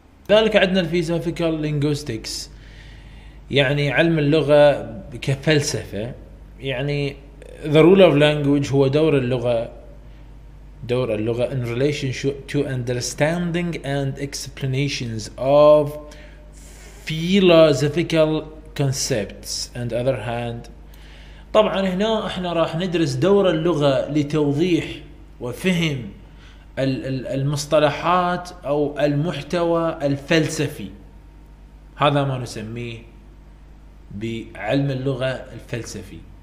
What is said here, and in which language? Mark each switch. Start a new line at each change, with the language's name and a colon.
Arabic: ذلك عندنا الفيزيكال لينغويستكس، يعني علم اللغة كفلسفة. يعني
English: the role of language
Arabic: هو دور اللغة
English: in relation to understanding and explanations of philosophical concepts and other hand.
Arabic: طبعا هنا احنا راح ندرس دور اللغة لتوضيح وفهم المصطلحات او المحتوى الفلسفي. هذا ما نسميه بعلم اللغة الفلسفي.